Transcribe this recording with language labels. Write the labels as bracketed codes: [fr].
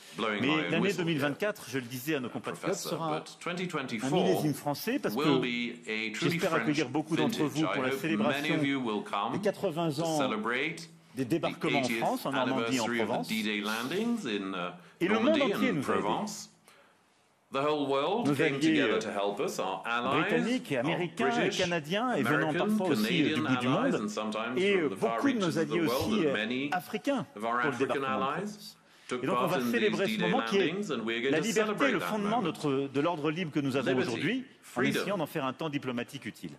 [fr] Mais l'année 2024, je le disais à nos compatriotes, sera un millésime français parce que j'espère accueillir beaucoup d'entre vous pour la célébration des 80 ans des débarquements en France, en Normandie, en Provence. Et le monde entier nous a aidés. [en] The whole world came together to help us, our allies, [fr] Britanniques et Américains, [en] British, [fr] et Canadiens, et venant parfois aussi du bout du monde, et beaucoup de nos alliés aussi africains pour le débarquement. Et donc on va célébrer ce moment qui est la liberté, le fondement de l'ordre libre que nous avons aujourd'hui, en essayant d'en faire un temps diplomatique utile.